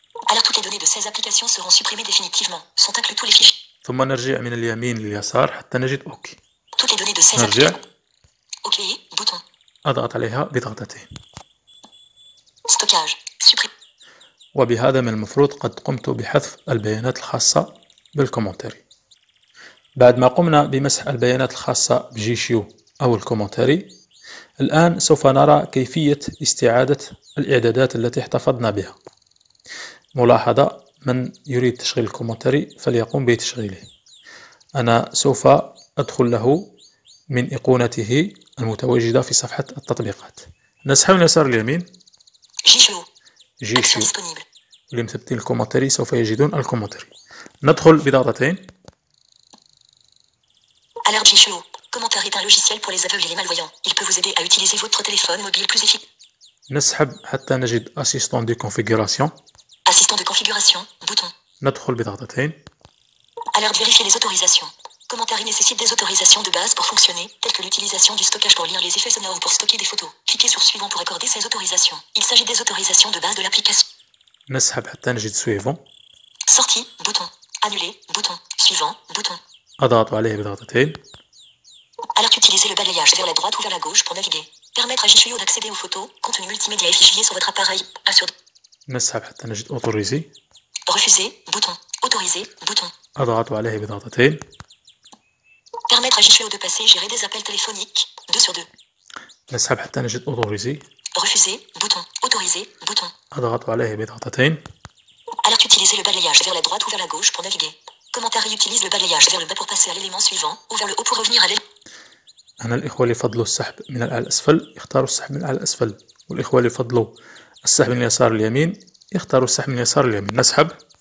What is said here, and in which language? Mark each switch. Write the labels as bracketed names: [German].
[French] Alors toutes les données de ces applications seront supprimées définitivement. Sont inclus tous les fichiers. [Arabic] ثم نرجع من اليمين لليسار حتى نجد اوكي. [French] Toutes les données de ces [Arabic] نرجع [French] اوكي بوتون. [Arabic] اضغط عليها بضغطتين. [French] Stockage. Supprim. [Arabic] وبهذا من المفروض قد قمت بحذف البيانات الخاصة بالكومنتاري. بعد ما قمنا بمسح البيانات الخاصة بجيشيو أو الكومنتاري، الآن سوف نرى كيفية استعادة الإعدادات التي احتفظنا بها. ملاحظة، من يريد تشغيل الكومنتاري فليقوم بتشغيله. أنا سوف أدخل له من أيقونته المتواجدة في صفحة التطبيقات. نسحب من اليسار اليمين جيشيو، جيشيو اللي مثبتين الكومنتاري سوف يجدون الكومنتاري. ندخل بضغطتين [French] Alors Jishuo, commentaire est un logiciel pour les aveugles et les malvoyants. Il peut vous aider à utiliser votre téléphone mobile plus efficacement. [Arabic] نسحب حتى نجد [French] assistant de configuration. Assistant de configuration, bouton. [Arabic] ندخل بضغطتين. [French] Alors vérifier les autorisations. Commentaire nécessite des autorisations de base pour fonctionner, telles que l'utilisation du stockage pour lire les effets sonores ou pour stocker des photos. Cliquez sur suivant pour accorder ces autorisations. Il s'agit des autorisations de base de l'application. [Arabic] نسحب حتى نجد suivant. [French] Sortie, bouton. Annuler, bouton. Suivant, bouton. [Arabic] أضغط عليه بضغطتين. [French] Alors utilisez le balayage vers la droite ou vers la gauche pour naviguer. Permettre à Jishuo d'accéder aux photos, contenu multimédia et fichiers sur votre appareil. Assure. [Arabic] نسحب حتى نجد أوتوريزي. [French] Refuser, bouton. Autoriser, bouton. [Arabic] أضغط عليه بضغطتين. [French] Permettre à Jishuo de passer et gérer des appels téléphoniques. 2 sur 2. [Arabic] نسحب حتى نجد أوتوريزي. [French] Refuser, bouton. Autoriser, bouton. [Arabic] أضغط عليه بضغطتين. [French] Alors utilisez le balayage vers la droite ou vers la gauche pour naviguer. Commentaire utilise le balayage vers le bas pour passer à l'élément suivant ou vers le haut pour revenir à l'élément. [Arabic] هنا الإخوة اللي فضلوا السحب من الأعلى أسفل يختاروا السحب من الأعلى أسفل، والإخوة اللي فضلوا السحب من اليسار اليمين يختاروا السحب من اليسار اليمين. نسحب.